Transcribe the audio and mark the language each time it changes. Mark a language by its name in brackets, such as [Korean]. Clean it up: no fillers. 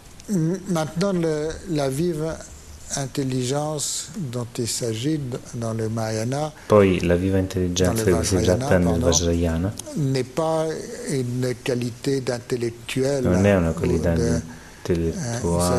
[French] Maintenant la vive intelligence dont il s'agit dans le Mahayana. [Italian] Poi la viva intelligenza che si tratta nel Vajrayana [French] n'est pas une qualité d'intellectuel. [Italian] Non è una qualità intellettuale.